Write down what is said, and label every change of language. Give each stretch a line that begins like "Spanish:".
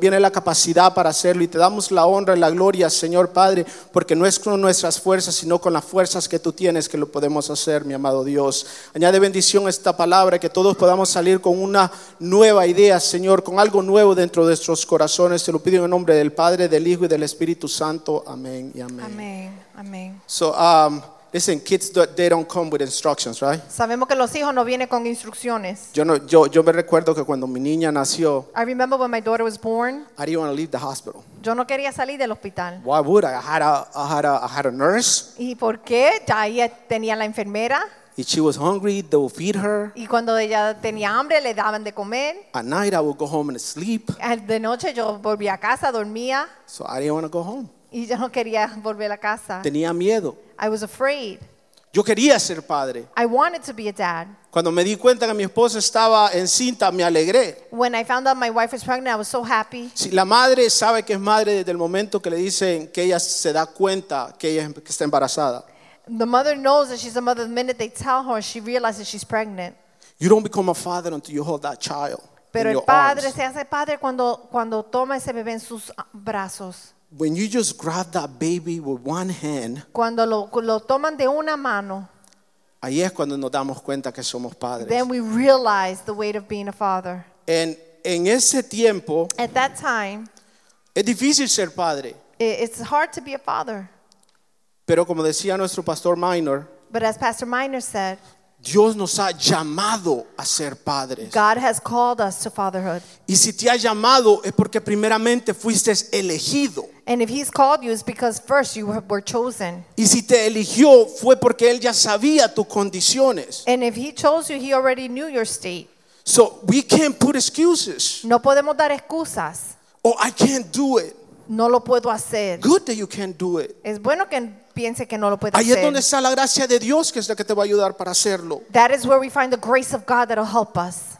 Spanish: Viene la capacidad para hacerlo, y te damos la honra y la gloria, Señor Padre, porque no es con nuestras fuerzas, sino con las fuerzas que tú tienes que lo podemos hacer, mi amado Dios. Añade bendición a esta palabra, que todos podamos salir con una nueva idea, Señor, con algo nuevo dentro de nuestros corazones. Te lo pido en el nombre del Padre, del Hijo y del Espíritu Santo. Amén y amén. Amén, amén.
English: So, listen, kids, they don't come with instructions, right?
Spanish: Sabemos que los hijos no vienen con instrucciones. Yo me recuerdo que cuando mi niña nació,
English: I remember when my daughter was born, I didn't want to leave the hospital.
Spanish: Yo no quería salir del hospital.
English: Why would I? I had a nurse.
Spanish: ¿Y por qué? Ya ella tenía la enfermera.
English: If she was hungry, they would feed her.
Spanish: Y cuando ella tenía hambre, le daban de comer.
English: At night, I would go home and sleep.
Spanish: De noche yo volvía a casa, dormía.
English: So I didn't want to go home.
Spanish: Y yo no quería volver a la casa. Tenía miedo.
English: I was afraid.
Spanish: Yo quería ser padre.
English: I wanted to be a dad.
Spanish: Cuando me di cuenta que mi esposa estaba encinta, me alegré.
English: When I found out my wife was pregnant, I was so happy.
Spanish: Si la madre sabe que es madre desde el momento que le dicen que ella se da cuenta que ella está embarazada.
English: The mother knows that she's a mother the minute they tell her she realizes she's pregnant. You don't become a father until you hold that child.
Spanish: Pero el padre
English: in your arms.
Spanish: Se hace padre cuando toma ese bebé en sus brazos.
English: When you just grab that baby with one hand,
Spanish: cuando lo toman de una mano, ahí es cuando nos damos cuenta que somos padres.
English: Then we realize the weight of being a father.
Spanish: En ese tiempo,
English: at that time,
Spanish: es difícil ser padre.
English: It's hard to be a father.
Spanish: Pero como decía nuestro pastor Minor,
English: but as Pastor Minor said,
Spanish: Dios nos ha llamado a ser padres.
English: God has called us to fatherhood.
Spanish: Y si te ha llamado es porque primeramente fuiste elegido.
English: And if he's called you, it's because first you were chosen.
Spanish: Y si te eligió fue porque él ya sabía tus condiciones.
English: And if he chose you, he already knew your state. So we can't put excuses.
Spanish: No podemos dar excusas.
English: Oh, I can't do it.
Spanish: No lo puedo hacer.
English: Good that you can't do it.
Spanish: Es bueno que piense que no lo puede ahí hacer. Ahí es donde está la gracia de Dios, que es la que te va a ayudar para hacerlo.
English: That is where we find the grace of God that will help us.